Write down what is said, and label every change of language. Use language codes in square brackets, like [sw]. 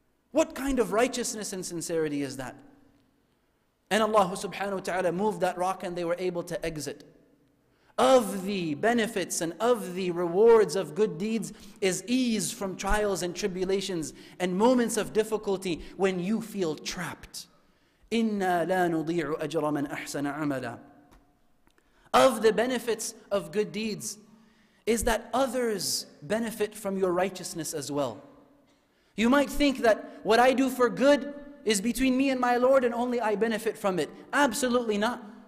[en] What kind of righteousness and sincerity is that? And Allah subhanahu wa ta'ala moved that rock and they were able to exit. Of the benefits and of the rewards of good deeds is ease from trials and tribulations and moments of difficulty when you feel trapped. [ar] إِنَّا لَا نُضِيعُ أَجْرَ مَنْ أَحْسَنَ عَمَلًا. [en] Of the benefits of good deeds is that others benefit from your righteousness as well. You might think that what I do for good is between me and my Lord and only I benefit from it. Absolutely not.